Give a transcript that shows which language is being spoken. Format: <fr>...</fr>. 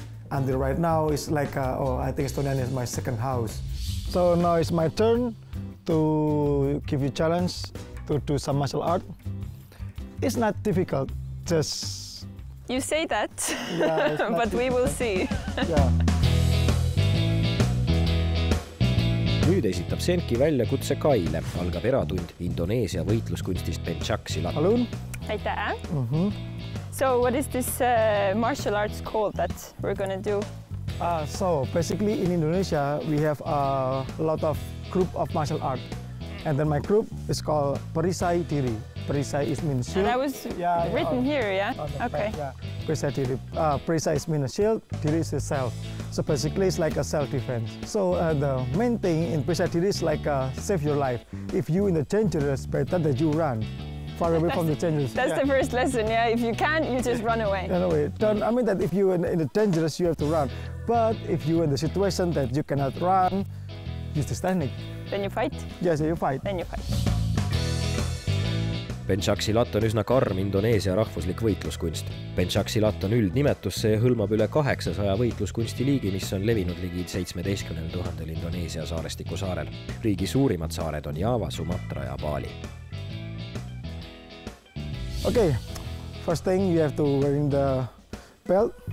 <en>And right now it's like, I think Estonian is my second house. So now it's my turn to give you a challenge to do some martial art. It's not difficult, just... You say that, yeah, but difficult. We will see.</en> <et>Nüüd esitab Senki välja kutse Kaile. Algab eratund Indoneesia võitluskunstist Pencak Silat. Palun. Aitäh.</et> <en>So what is this martial arts called that we're going to do? So basically in Indonesia, we have a lot of group of martial art. And then my group is called Perisai Diri. Perisai is means shield. And I was written here, yeah? Okay. Perisai Diri. Perisai is means shield, Diri is a self. So basically it's like a self-defense. So the main thing in Perisai Diri is like save your life. If you in the dangerous, better that you run. Far away from the dangerous. That's the first lesson, yeah? If you can't, you just run away. I mean that if you are in the dangerous, you have to run. But if you are in the situation that you cannot run, use this technique. Then you fight? Yes, you fight. Then you fight.</en> <et>Pencak Silat on üsna karm Indoneesia rahvuslik võitluskunst. Pencak Silat on üldnimetus, see hõlmab üle 800 võitluskunsti liigi, mis on levinud ligi 17 000 Indoneesia saarestiku saarel. Riigi suurimad saared on Jaava, Sumatra ja Bali.</et> <en>Okay, first thing you have to wear the belt.</en>